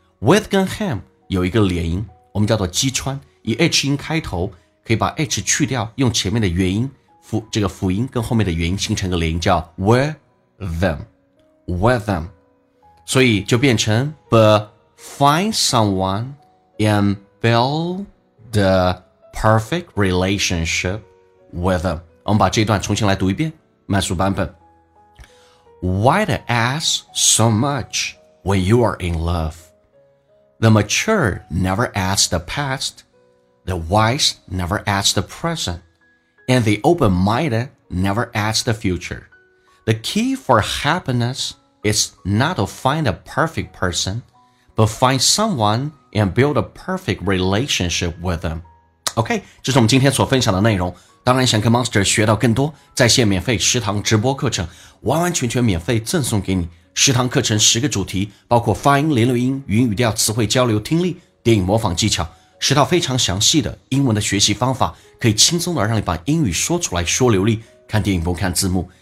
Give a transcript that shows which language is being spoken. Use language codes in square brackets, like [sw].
[zh] With 跟 him 有一个连音，我们叫做击穿，以 H 音开头，可以把 H 去掉，用前面的元音这个辅音跟后面的元音形成个连音，叫 [en] with them, with them, [zh] 所以就变成 [en] but find someone and build the perfect relationship with them. [zh] 我们把这一段重新来读一遍，慢速版本。 [en] Why to ask so much when you are in love? The mature never ask the past. The wise never ask the present. And the open-minded never ask the future. The key for happiness is not to find a perfect person, but find someone and build a perfect relationship with them. Okay, [zh] 这是我们今天所分享的内容。当然想跟 Monster 学到更多在线免费食堂直播课程，完完全全免费赠送给你。食堂课程十个主题，包括发音、连读音、语音语调、词汇交流、听力、电影模仿技巧，十套非常详细的英文的学习方法，可以轻松的让你把英语说出来说流利，看电影不看字幕。